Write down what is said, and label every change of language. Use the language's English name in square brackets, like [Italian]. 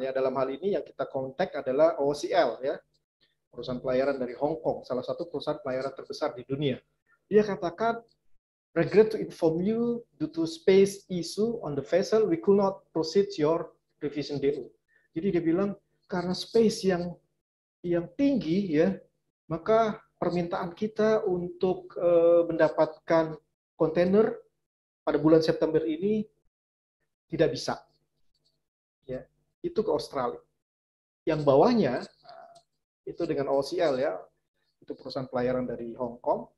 [Indonesian] Ya, dalam hal ini yang kita kontak adalah OCL, ya, perusahaan pelayaran dari Hong Kong, salah satu perusahaan pelayaran terbesar di dunia. Dia katakan, [English] "Regret to inform you due to space issue on the vessel, we could not proceed your revision DO." [Indonesian] Jadi dia bilang karena space yang tinggi, ya, maka permintaan kita untuk mendapatkan kontainer pada bulan September ini tidak bisa. Ya, itu ke Australia. Yang bawahnya itu dengan OCL, ya, itu perusahaan pelayaran dari Hong Kong.